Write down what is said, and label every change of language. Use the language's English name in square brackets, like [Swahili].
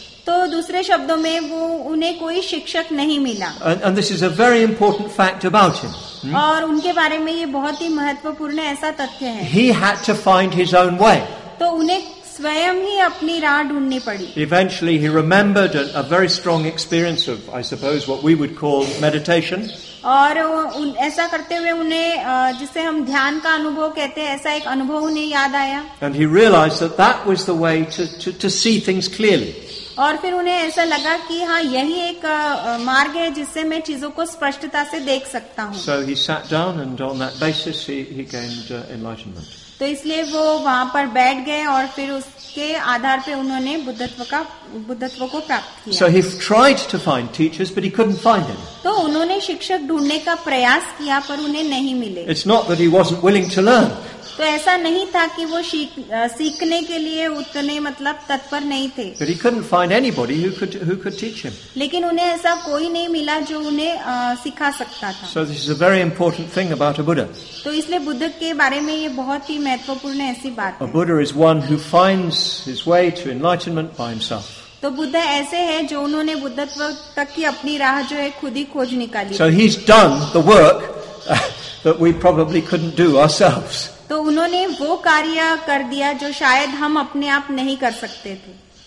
[Hindi] तो दूसरे शब्दों में वो उन्हें कोई शिक्षक नहीं मिला. [English] And this is a very important fact about him. [Hindi] और उनके बारे में ये बहुत ही महत्वपूर्ण ऐसा तथ्य है. [English] He had to find his own way. [Hindi] तो उन्हें स्वयं ही अपनी राह ढूंढनी पड़ी. [English] Eventually he remembered a very strong experience of, I suppose, what we would call meditation. [Hindi] और ऐसा करते हुए उन्हें जिसे हम ध्यान का अनुभव कहते हैं ऐसा एक अनुभव उन्हें याद आया. [English] And he realized that was the way to see things clearly. [Hindi] और फिर उन्हें ऐसा लगा कि हाँ यही एक मार्ग है जिससे मैं चीजों को स्पष्टता से देख सकता हूँ. [English] So he sat down and on that basis he gained enlightenment. [Hindi] तो इसलिए वो वहाँ पर बैठ गए और फिर उसके आधार पे उन्होंने बुद्धत्व को प्राप्त किया. [English] So he tried to find teachers, but he couldn't find any. [Hindi] तो उन्होंने शिक्षक ढूंढने का प्रयास किया पर उन्हें नहीं मिले. [English] It's not that he wasn't willing to learn. [Hindi] तो ऐसा नहीं था कि वो सीखने के लिए उतने मतलब तत्पर नहीं थे. [English] But he couldn't find anybody who could teach him. [Hindi] लेकिन उन्हें ऐसा कोई नहीं मिला जो उन्हें सिखा सकता था. [English] So this is a very important thing about a Buddha. [Hindi] तो इसलिए बुद्ध के बारे में ये बहुत ही महत्वपूर्ण ऐसी बात है. [English] A Buddha is one who finds his way to enlightenment by himself. [Hindi] तो बुद्ध ऐसे हैं जो उन्होंने बुद्धत्व तक की अपनी राह जो है खुद ही खोज निकाली. [English] So he's done the work that we probably couldn't do ourselves. [Hindi] तो उन्होंने वो कार्य कर दिया जो शायद हम अपने आप नहीं कर सकते थे.